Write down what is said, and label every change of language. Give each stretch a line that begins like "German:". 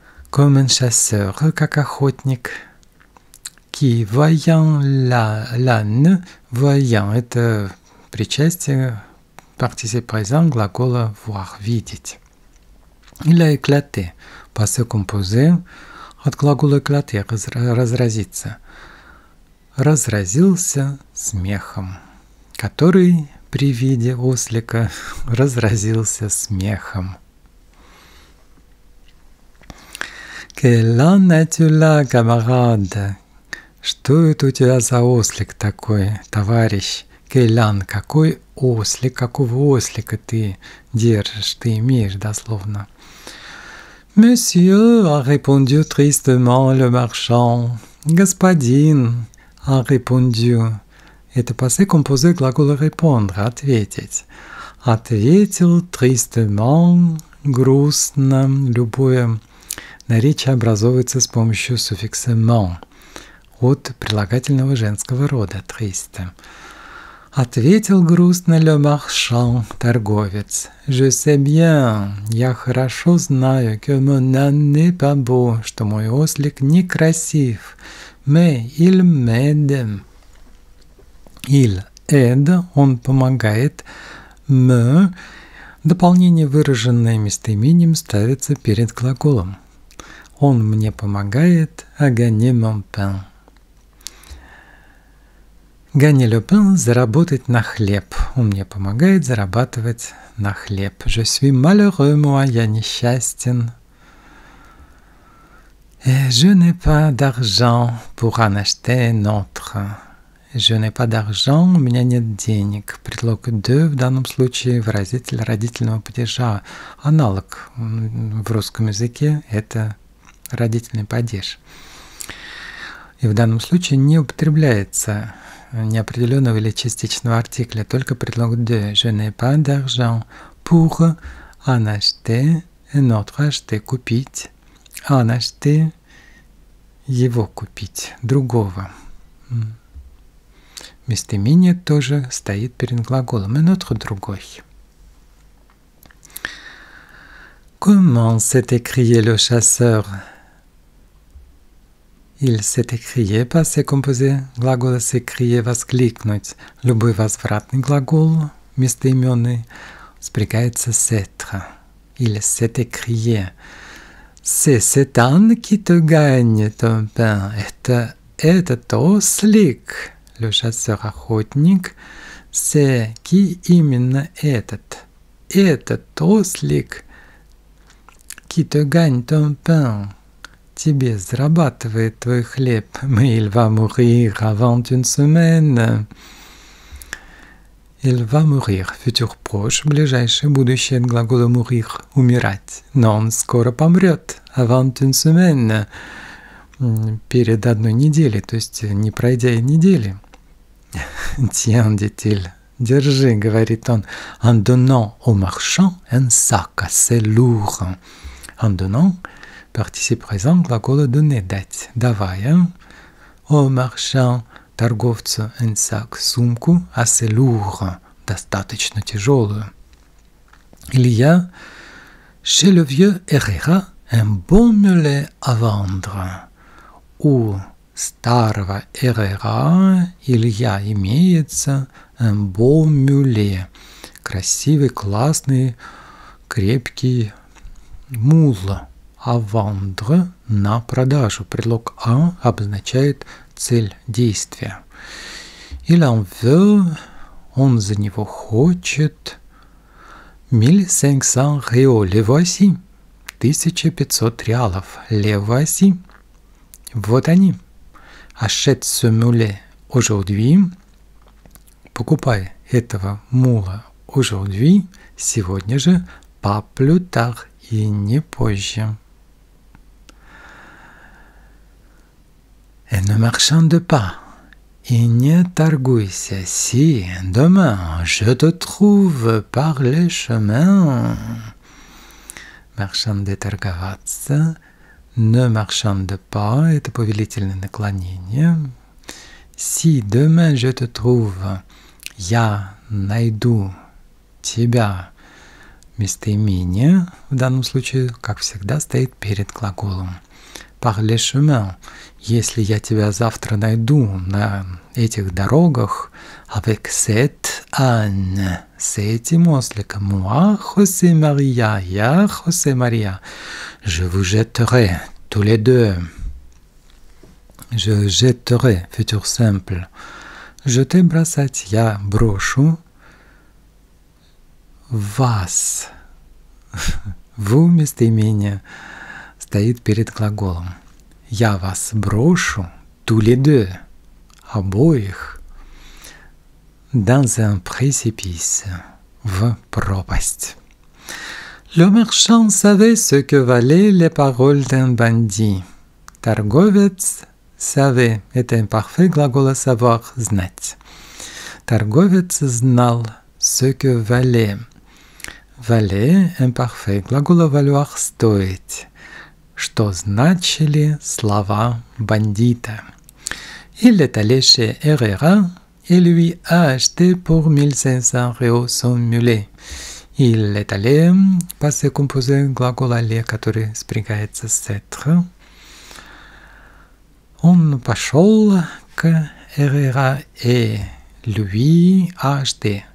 French: Comme un chasseur,
Russian: как охотник.
French: Qui, voyant l'âne, voyant,
Russian: это причастие,
French: participe présent,
Russian: глагола
French: voir,
Russian: видеть.
French: Il a éclaté, passé composé,
Russian: от глагола
French: éclater,
Russian: разразиться. Разразился смехом, который при виде ослика разразился смехом.
French: Quel âne as-tu là, camarade?
Russian: Что это у тебя за ослик такой, товарищ?
French: Quel âne,
Russian: какой ослик, какого ослика ты держишь, ты имеешь дословно?
French: Monsieur, a répondu tristement le marchand.
Russian: Господин,
French: a répondu.
Russian: Это
French: passé composé
Russian: глагола
French: répondre,
Russian: ответить. Ответил
French: tristement,
Russian: грустно. Любое наречие образовывается с помощью суффикса ment от прилагательного женского рода triste. Ответил грустно
French: le marchand,
Russian: торговец.
French: Je sais bien,
Russian: я хорошо знаю,
French: que mon âne n'est pas beau,
Russian: что мой ослик некрасив.
French: Mais il m'aide. Il aide,
Russian: он помогает. Me, дополнение, выраженное местоимением, ставится перед глаголом. Он мне помогает.
French: A gagner mon pain. Gagner le pain,
Russian: заработать на хлеб. Он мне помогает зарабатывать на хлеб.
French: Je suis malheureux, moi,
Russian: я несчастен.
French: Je n'ai pas d'argent pour en acheter un autre. Je n'ai pas d'argent,
Russian: у меня нет денег. Предлог de в данном случае выразитель родительного падежа. Аналог в русском языке это родительный падеж. И в данном случае не употребляется неопределенного или частичного артикля, только предлог de.
French: Je n'ai pas d'argent pour en acheter un autre. Acheter,
Russian: купить.
French: En acheter,
Russian: его купить, другого. Местоимение тоже стоит перед глаголом.
French: Un autre,
Russian: другой.
French: Comment s'est écrié le chasseur? Il s'est écrié, passé composé,
Russian: глагол
French: s'écrier,
Russian: воскликнуть, любой возвратный глагол, местоименный, спрягается с
French: être. Il s'est écrié. C'est cet âne qui te gagne, ton pain.
Russian: Этот ослик,
French: le chasseur-
Russian: охотник,
French: c'est qui
Russian: именно этот? Этот ослик
French: qui te gagne ton pain.
Russian: Тебе зарабатывает твой хлеб.
French: Mais il va mourir avant une semaine. Il va mourir. Futur proche,
Russian: ближайшее будущее
French: de
Russian: глагола
French: mourir.
Russian: Умирать. Non, скоро помрет.
French: Avant une semaine.
Russian: Перед одной неделей. То есть, не пройдя и недели.
French: Tiens, dit-il.
Russian: Держи, говорит он.
French: En donnant au marchand un sac assez lourd. En donnant... Participe présent,
Russian: глагол
French: donner,
Russian: дать, давай.
French: Hein? Au marchand,
Russian: торговцу,
French: un sac,
Russian: сумку,
French: assez lourd,
Russian: достаточно тяжелую.
French: Il y a, chez le vieux Herrera, un bon mulet à vendre.
Russian: У старого
French: Herrera, il y a,
Russian: имеется,
French: un bon mulet.
Russian: Красивый, классный, крепкий мул. «А вандре» – «на продажу». Предлог «а» обозначает цель действия.
French: «Il en veut»
Russian: – «он за него хочет». «1500 рио» –
French: «le voici»
Russian: – «1500 реалов» – «le voici» – «вот они».
French: «Achète ce mulet aujourd'hui»
Russian: – «покупай этого мула
French: aujourd'hui»
Russian: – «сегодня же» –
French: «pas plus tard»
Russian: – «и не позже».
French: Et ne marchande pas, et ne targouisse si demain je te trouve par le chemin. Marchande
Russian: торговаться,
French: ne marchande pas,
Russian: это повелительное наклонение.
French: Si demain je te trouve,
Russian: я найду тебя, местоимение, в данном случае, как всегда, стоит перед глаголом.
French: Par le chemin.
Russian: Если я тебя завтра найду на этих дорогах,
French: avec cet âne,
Russian: с этим осликом,
French: moi,
Russian: José Maria, я, José Maria,
French: je vous jetterai, tous les deux. Je jetterai, futur simple.
Russian: Jeter, бросать, я брошу. Вас.
French: Vous,
Russian: местоимение, стоит перед глаголом. Я вас брошу,
French: tous les deux,
Russian: обоих,
French: dans un précipice,
Russian: в пропасть.
French: Le marchand savait ce que valaient les paroles d'un bandit.
Russian: Торговец
French: savait,
Russian: это имперфект глагола
French: savoir,
Russian: знать. Торговец знал
French: ce que valait. Valait,
Russian: имперфект глагола
French: valoir,
Russian: стоить. Что значили слова бандита.
French: Il est allé chez Herrera et lui a acheté pour 1500 euros son mulet. Il est allé, passé composé,
Russian: глагол
French: aller,
Russian: который спрягается с
French: être.
Russian: Он пошел к Herrera
French: et lui a acheté.